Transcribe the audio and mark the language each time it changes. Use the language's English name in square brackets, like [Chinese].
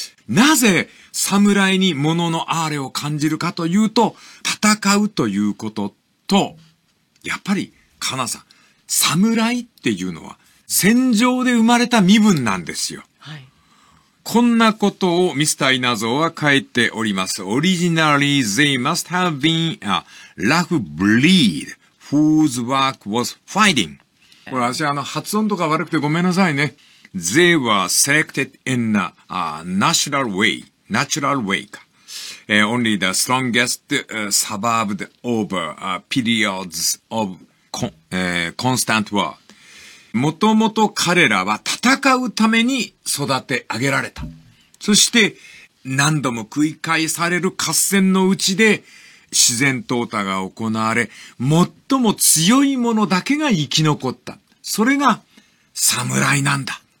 [Japanese] なぜ、侍に物のあれを感じるかというと、戦うということと、やっぱり、かなさん、侍っていうのは、戦場で生まれた身分なんですよ。はい。こんなことをミスター稲造は書いております。 [English] Originally, they must have been a rough breed whose work was fighting. [Japanese] これ、私、発音とか悪くてごめんなさいね。 [English] They were selected in a natural way. Natural way [Japanese] か。 [English] Only the strongest survived over periods of constant war. [Japanese] もともと彼らは戦うために育て上げられた。そして何度も繰り返される合戦のうちで自然淘汰が行われ、最も強い者だけが生き残った。それが侍なんだ。